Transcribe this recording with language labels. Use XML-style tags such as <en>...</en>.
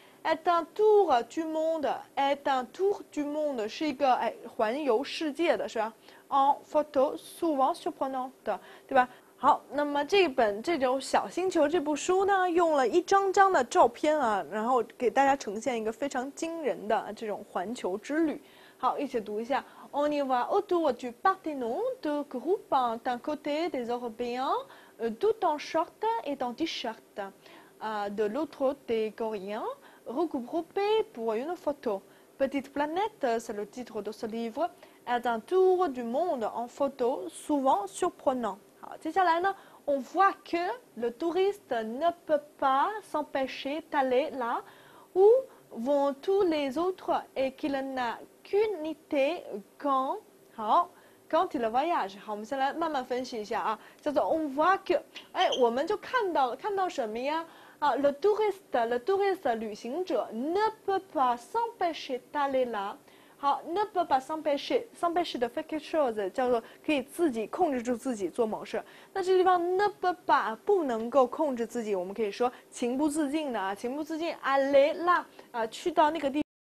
<fr>est un tour du monde, est un tour du monde,</fr> <zh>是一个哎环游世界的是吧</zh> <fr>？En photo souvent surprenante,</fr> <zh>对吧？好，那么这本这种小星球这部书呢，用了一张张的照片啊，然后给大家呈现一个非常惊人的这种环球之旅。好，一起读一下</zh> <fr>：On y va autour du Parthénon, de groupe d'un côté des Européens, tout en short et en t-shirt, de l'autre des Coréens. Regroupé pour une photo. Petite planète, c'est le titre de ce livre, est un tour du monde en photo souvent surprenant.</fr> <zh>好，接下来呢</zh> <fr>on voit que le touriste ne peut pas s'empêcher d'aller là où vont tous les autres et qu'il n'a qu'une idée quand,</fr> <zh>好</zh> <fr>quand il voyage.</fr> <zh>好，我们先来慢慢分析一下啊，叫做</zh> <fr>on voit que,</fr> <zh>哎，我们就看到了，看到什么呀？</zh> <fr>啊 ，le touriste，</fr> <zh>旅行者</zh> <fr>，ne peut pas s'empêcher d'aller là。</fr> <zh>好 ，</zh> <fr>ne peut pas s'empêcher de faire quelque chose，</fr> <zh>叫做可以自己控制住自己做某事。那这地方</zh> <fr>ne peut pas</fr> <zh>不能够控制自己，我们可以说情不自禁的啊，情不自禁</zh> <fr>aller là</fr> <zh>啊，去到那个地方。</zh>